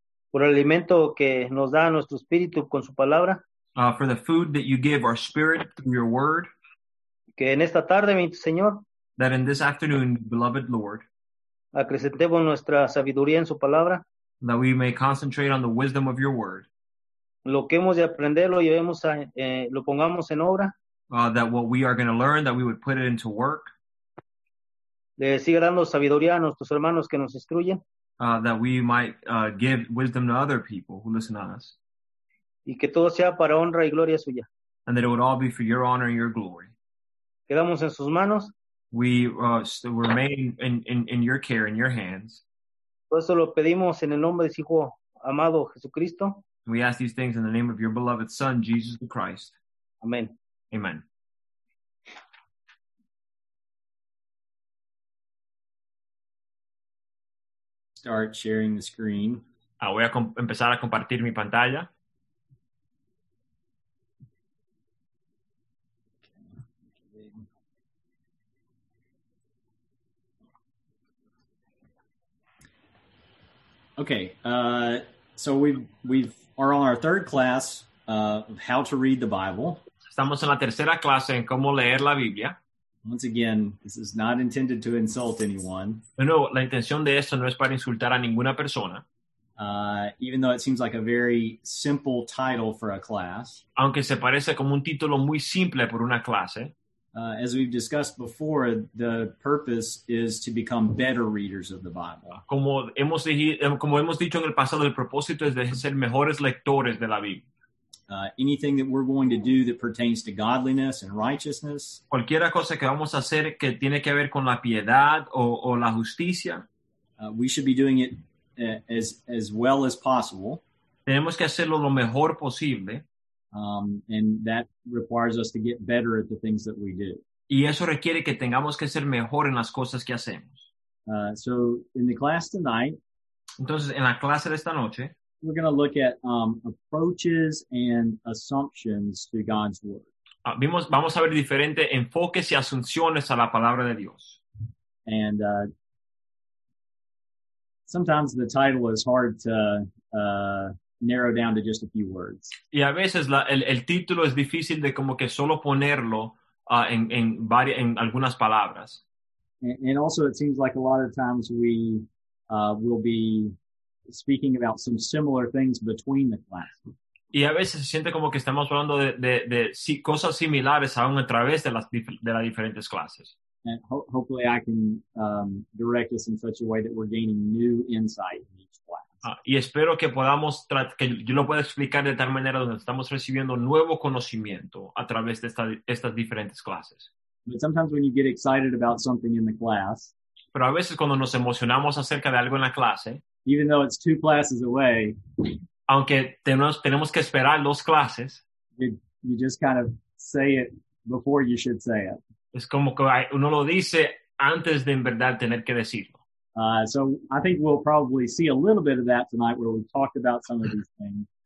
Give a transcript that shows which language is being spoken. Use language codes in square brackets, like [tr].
[es] Por el alimento que nos da nuestro espíritu con su palabra. [en] For the food that you give our spirit through your word. [es] Que en esta tarde, mi Señor. [en] That in this afternoon, beloved Lord. [es] Acrecentemos nuestra sabiduría en su palabra. [en] That we may concentrate on the wisdom of your word. [es] Lo que hemos de aprender lo llevemos a, lo pongamos en obra. [en] That what we are going to learn, that we would put it into work. [es] Le siga dando sabiduría a nuestros hermanos que nos instruyen. [en] That we might give wisdom to other people who listen to us. [es] Y que todo sea para honra y gloria suya. [en] And that it would all be for your honor and your glory. [es] Quedamos en sus manos. [en] We remain in your care, in your hands. [es] Por eso lo pedimos en el nombre de su Hijo amado Jesucristo. [en] We ask these things in the name of your beloved Son, Jesus the Christ. [es] Amen. [en] Amen. Start sharing the screen. [es] Voy a empezar a compartir mi pantalla. [en] Okay, so we are on our third class of how to read the Bible. [es] Estamos en la tercera clase en cómo leer la Biblia. [en] Once again, this is not intended to insult anyone. [es] No, la intención de esto no es para insultar a ninguna persona. [en] Even though it seems like a very simple title for a class. [es] Aunque se parece como un título muy simple por una clase. [en] As we've discussed before, the purpose is to become better readers of the Bible. [es] Como hemos dicho en el pasado, el propósito es de ser mejores lectores de la Biblia. [en] Anything that we're going to do that pertains to godliness and righteousness. [es] Cualquier cosa que vamos a hacer que tiene que ver con la piedad o la justicia. [en] We should be doing it as well as possible. [es] Tenemos que hacerlo lo mejor posible. [en] And that requires us to get better at the things that we do. [es] Y eso requiere que tengamos que ser mejor en las cosas que hacemos. [en] So in the class tonight. [es] Entonces en la clase de esta noche. [en] We're going to look at approaches and assumptions to God's word. [es] Vamos a ver diferentes enfoques y asunciones a la palabra de Dios. [en] And sometimes the title is hard to narrow down to just a few words. [es] Y a veces el título es difícil de como que solo ponerlo en algunas palabras. [en] And also it seems like a lot of times we will be speaking about some similar things between the classes. [es] Y a veces se siente como que estamos hablando de cosas similares aún a través de las diferentes clases. [en] And hopefully I can direct us in such a way that we're gaining new insight in each class. [es] Y espero que podamos que yo lo pueda explicar de tal manera donde estamos recibiendo nuevo conocimiento a través de estas diferentes clases. [en] But sometimes when you get excited about something in the class, [es] pero a veces cuando nos emocionamos acerca de algo en la clase, [en] even though it's two classes away, [es] aunque tenemos que esperar dos clases, [en] you just kind of say it before you should say it. [es] Es como que uno lo dice antes de en verdad tener que decirlo. [en] So I think we'll probably see a little bit of that tonight where we talk about some of these things.